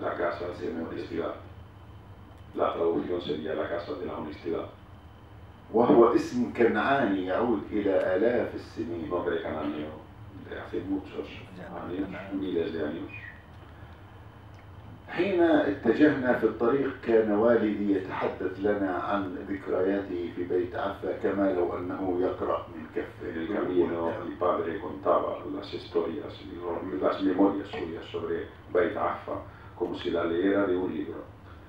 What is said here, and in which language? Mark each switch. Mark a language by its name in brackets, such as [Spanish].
[Spanish] La casa de la honestidad La traducción sería la casa de la honestidad [Arabic] وهو اسم كنعاني يعود إلى آلاف السنين. [Spanish] Nombre cananeo de hace muchos años, miles de años. [Arabic] حين اتجهنا في الطريق كان والدي يتحدث لنا عن ذكرياته في بيت عفا كما لو أنه يقرأ من كف. [Spanish] En el camino mi padre contaba las historias, las memorias suyas sobre بيت عفا como si la leyera de un libro.